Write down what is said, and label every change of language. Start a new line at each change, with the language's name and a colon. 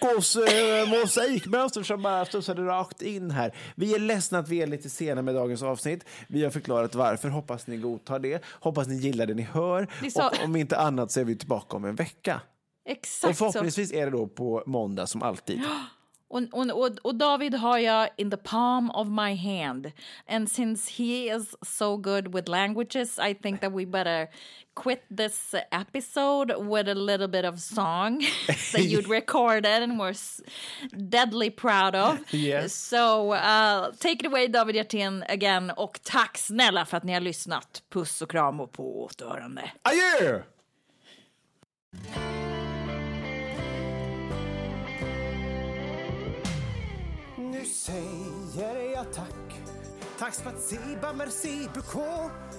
Swedish: Marokkos mosaikmönster som bara stötsade rakt in här. Vi är ledsna att vi är lite sena med dagens avsnitt. Vi har förklarat varför. Hoppas ni godtar det. Hoppas ni gillar det ni hör. Och om inte annat så är vi tillbaka om en vecka. Exakt. Och förhoppningsvis är det då på måndag som alltid. Och David har jag
English: in the palm of my hand. And since he is so good with languages, I think that we better quit this episode with a little bit of song that you'd recorded and were deadly proud of. Yes. So take it away, David Hjertén, again.
Swedish: Och tack snälla för att ni har lyssnat. Puss och kram och på återhörande. Adjö! Säger jag tack. Tack spatsiba,
French: merci, beaucoup.